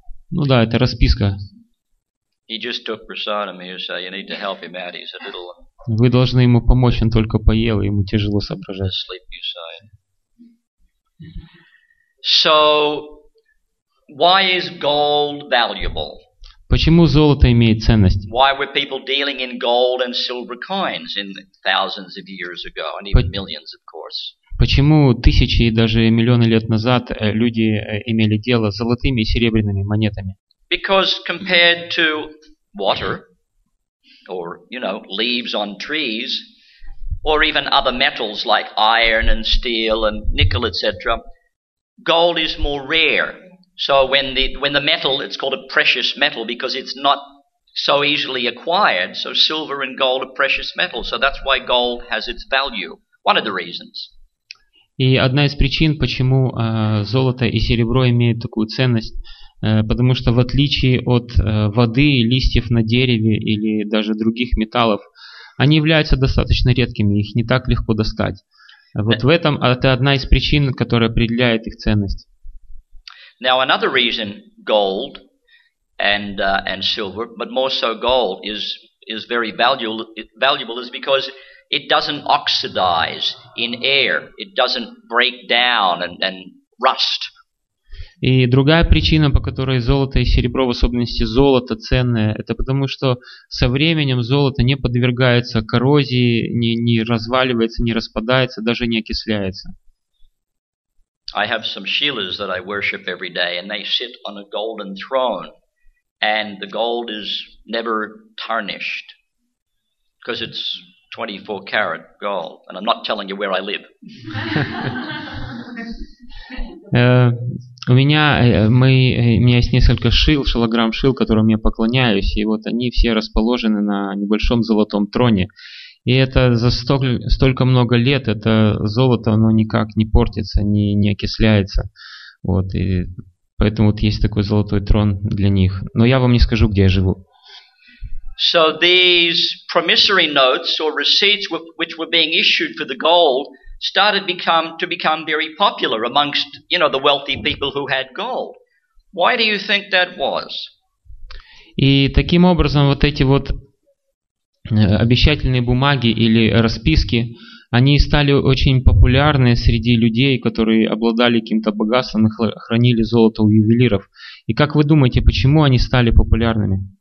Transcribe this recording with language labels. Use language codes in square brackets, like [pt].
[ru] Ну да, это расписка. Вы должны ему помочь, он только поел, ему тяжело соображать. [en] Sleep, so, why is gold valuable? [ru] Почему золото имеет ценность? [en] Why were people dealing in gold and silver coins in thousands of years ago, and even millions, of course? [ru] Почему тысячи и даже миллионы лет назад люди имели дело с золотыми и серебряными монетами? [en] Because compared to water, or you know, leaves on trees, or even other metals like iron and steel and nickel, etc., gold is more rare. So when the metal, it's called a precious metal because it's not so easily acquired. So silver and gold are precious metals. So that's why gold has its value. One of the reasons. [ru] И одна из причин, почему золото и серебро имеют такую ценность, потому что в отличие от воды, листьев на дереве или даже других металлов, они являются достаточно редкими, их не так легко достать. Вот в этом это одна из причин, которая определяет их ценность. [en] Now another reason gold and silver, but more so gold is very valuable is because it doesn't oxidize in air, it doesn't break down and rust. [ru] И другая причина, по которой золото и серебро, в особенности золото, ценное, это потому что со временем золото не подвергается коррозии, не разваливается, не распадается, даже не окисляется. [en] I have some shilas that I worship every day, and they sit on a golden throne, and the gold is never tarnished, because it's 24 karat gold, and I'm not telling you where I live. [ru] У меня есть несколько шил, шилограмм шил, которым я поклоняюсь, и вот они все расположены на небольшом золотом троне. И это за столько много лет, это золото, оно никак не портится, не окисляется. Вот, и поэтому вот есть такой золотой трон для них. Но я вам не скажу, где я живу. [en] So these promissory notes or receipts which were being issued for the gold started to become very popular amongst, you know, the wealthy people who had gold. Why do you think that was? [ru] И таким образом вот эти вот обещательные бумаги или расписки, они стали очень популярны среди людей, которые обладали каким-то богатством и хранили золото у ювелиров. И как вы думаете, почему они стали популярными?